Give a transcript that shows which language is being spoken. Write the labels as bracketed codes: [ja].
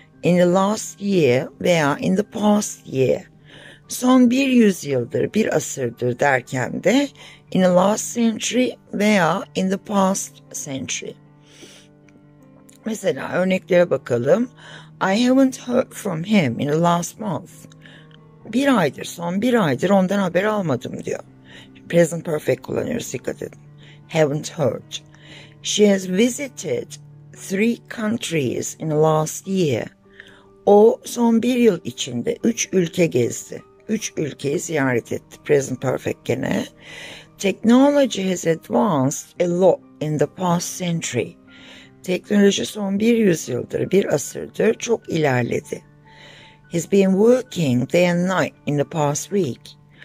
[en] In the last year veya in the past year. [tr] Son bir yüzyıldır, bir asırdır derken de [en] in the last century [tr] veya [en] in the past century. [tr] Mesela örneklere bakalım. [en] I haven't heard from him in the last month. [tr] Bir aydır, son bir aydır ondan haber almadım diyor. Present perfect kullanıyoruz, dikkat edin. [en] Haven't heard. She has visited 3 countries in the last year. [tr] O son bir yıl içinde 3 ülke gezdi. 3 ülkeyi ziyaret etti. [en] Present perfect gene. Technology has advanced a lot in the past century. [tr] Teknoloji son bir yüzyıldır, bir asırdır çok ilerledi. [en] He's been working day and night in the past week.